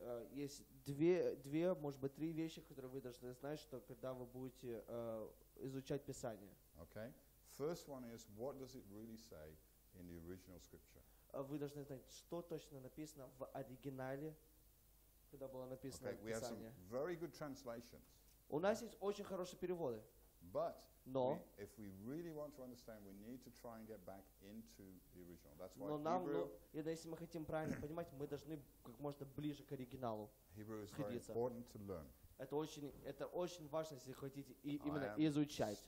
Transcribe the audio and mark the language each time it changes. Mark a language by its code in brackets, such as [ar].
[ru] Есть две, может быть, три вещи, которые вы должны знать, что когда вы будете изучать Писание. [en] Okay. First one is what does it really say in the original scripture? [ru] Вы должны знать, что точно написано в оригинале, когда было написано Писание. [en] Okay, we have some very good translations. [ru] У нас есть очень хорошие переводы. [en] But no. If we really want to understand, we need to try and get back into the original. That's why Hebrew, [ru] если мы хотим правильно понимать, мы должны как можно ближе к оригиналу. [en] Hebrew is very important to learn. [ru] Это очень важно, если хотите именно изучать.